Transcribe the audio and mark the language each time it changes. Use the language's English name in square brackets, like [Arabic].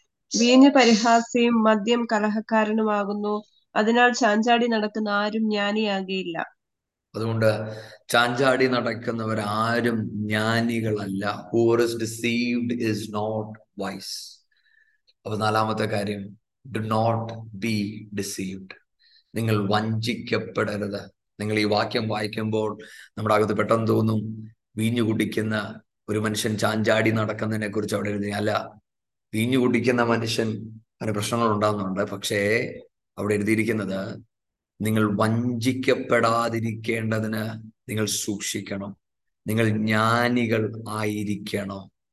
[Malayalam] വീഞ്ഞ് പരിഹാസ്യം, മദ്യം കലഹക്കാരനുമാകുന്നു, അതിനാൽ ചാഞ്ചാടി നടക്കുന്ന ആരും ജ്ഞാനിയാകയില്ല. അതുകൊണ്ട് ചാഞ്ചാടി നടക്കുന്നവർ ആരും ജ്ഞാനികളല്ല. [English] Who is deceived is not wise. [Malayalam] അപ്പൊ 4-ാമത്തെ കാര്യം, [English] do not be deceived. [Malayalam] നിങ്ങൾ വഞ്ചിക്കപ്പെടരുത്. നിങ്ങൾ ഈ വാക്യം വായിക്കുമ്പോൾ നമ്മുടെ അകത്ത് പെട്ടെന്ന് തോന്നും വീഞ്ഞു കുടിക്കുന്ന ഒരു മനുഷ്യൻ ചാഞ്ചാടി നടക്കുന്നതിനെ കുറിച്ച് അവിടെ എഴുതി. അല്ല, വീഞ്ഞു കുടിക്കുന്ന മനുഷ്യൻ അതിന് പ്രശ്നങ്ങൾ ഉണ്ടാകുന്നുണ്ട്. പക്ഷേ അവിടെ എഴുതിയിരിക്കുന്നത് നിങ്ങൾ വഞ്ചിക്കപ്പെടാതിരിക്കേണ്ടതിന് നിങ്ങൾ സൂക്ഷിക്കണം, നിങ്ങൾ ജ്ഞാനികൾ ആയിരിക്കണം.